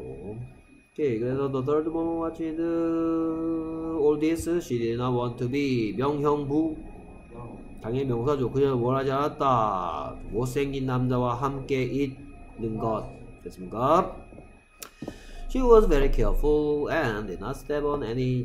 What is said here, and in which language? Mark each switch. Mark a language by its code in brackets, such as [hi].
[ko] 오케이, 그래서 [en] the third woman watched all this she did not want to be. [ko] 명형부. 당연히 명사죠. 그녀는 원하지 않았다. 못생긴 남자와 함께 있는 것. 됐습니까? [en] She was very careful and did not step on any.